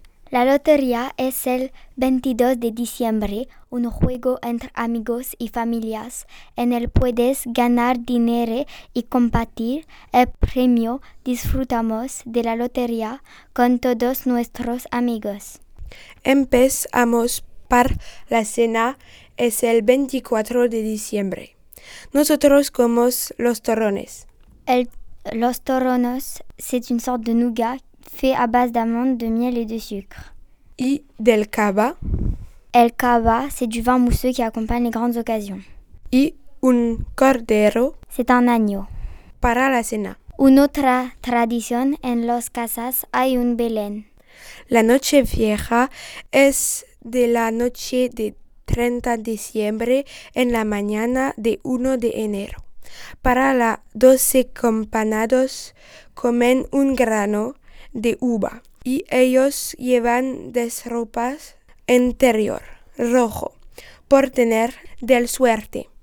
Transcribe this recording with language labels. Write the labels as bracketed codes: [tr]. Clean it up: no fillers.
[es] La lotería es el 22 de diciembre, un juego entre amigos y familias en el puedes ganar dinero y compartir el premio. Disfrutamos de la lotería con todos nuestros amigos. Empezamos por la cena, es el 24 de diciembre. Nosotros comemos los torrones. [fr] Los torrones, c'est une sorte de nougat fait à base d'amandes, de miel et de sucre. [es] Y del cava. [fr] El cava, c'est du vin mousseux qui accompagne les grandes occasions. [es] Y un cordero. [fr] C'est un agneau. [es] Para la cena. Una otra tradición, en las casas hay un Belén. La noche vieja es de la noche de 30 de diciembre en la mañana de 1 de enero. Para la 12 campanadas comen un grano de uva y ellos llevan des ropas interior rojo por tener del suerte.